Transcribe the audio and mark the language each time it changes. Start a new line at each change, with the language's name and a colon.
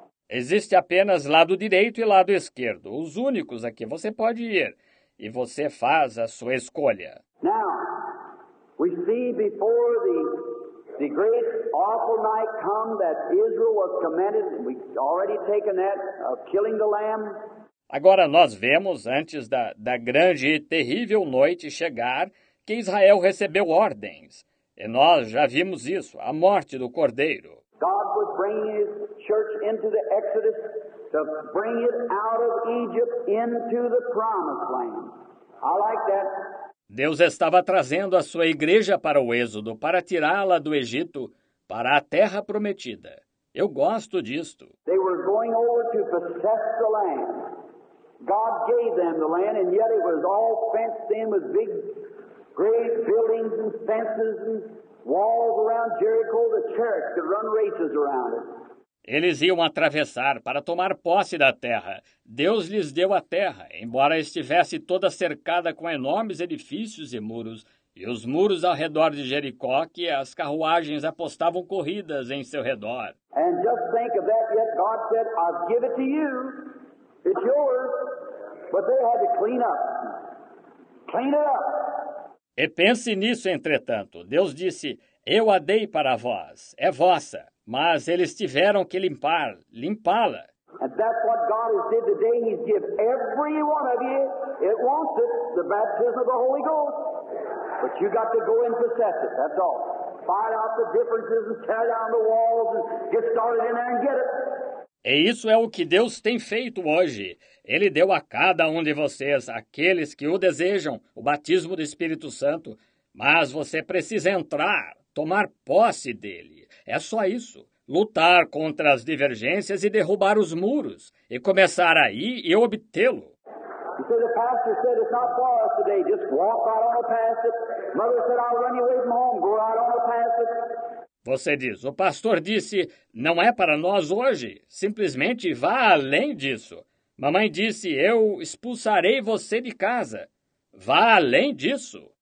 Portuguese: Existe apenas lado direito e lado esquerdo, os únicos a que você pode ir. E você faz a sua escolha.
English: Now, We see before the great awful night come that Israel was commanded, we've already taken that, of killing the lamb.
Portuguese: Agora nós vemos, antes da grande e terrível noite chegar, que Israel recebeu ordens. E nós já vimos isso, a morte do Cordeiro.
English: God was bringing his church into the Exodus to bring it out of Egypt into the promised land. I like that.
Portuguese: Deus estava trazendo a sua igreja para o Êxodo, para tirá-la do Egito, para a terra prometida. Eu gosto disto.
English: They were going over to possess the land. God gave them the land, and yet it was all fenced in with big great buildings and fences and walls around Jericho, the church could run races around it.
Portuguese: Eles iam atravessar para tomar posse da terra. Deus lhes deu a terra, embora estivesse toda cercada com enormes edifícios e muros, e os muros ao redor de Jericó, que as carruagens apostavam corridas em seu redor.
English: And just think of that, yet God said, I'll give it to you. It's yours. But they had to clean up. Clean it up.
Portuguese: E pense nisso, entretanto. Deus disse, eu a dei para vós. É vossa. Mas eles tiveram que limpar, limpá-la.
English: And that's what God has did today. He's given every one of you, it wants it, the baptism of the Holy Ghost. But you got to go and possess it, that's all. Find out the differences and tear down the walls and get started in there and get it.
Portuguese: E isso é o que Deus tem feito hoje. Ele deu a cada um de vocês, aqueles que o desejam, o batismo do Espírito Santo. Mas você precisa entrar, tomar posse dele. É só isso. Lutar contra as divergências e derrubar os muros. E começar aí e obtê-lo.
English: So the pastor said it's not for us today. Just walk right on past it. Mother said I'll run you away from home. Go right on past it.
Portuguese: Você diz, o pastor disse, não é para nós hoje, simplesmente vá além disso. Mamãe disse, eu expulsarei você de casa. Vá além disso.